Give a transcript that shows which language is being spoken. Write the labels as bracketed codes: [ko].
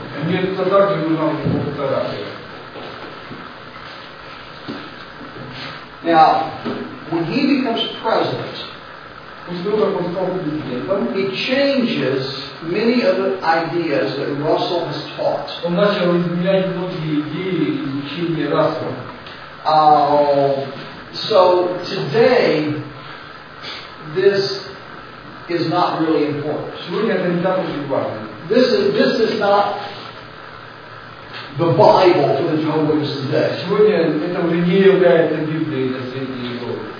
[en] And yet the doctor will not be put that out here. Now, when he becomes president, he changes many of the ideas that Russell has taught. [ru] Он начал изменять многие идеи и учения Рассела. [en] So today this is not really important. This is not the Bible for the Jehovah's Witnesses today. [ru] Сегодня это уже не является Библией для Святых Иеговы.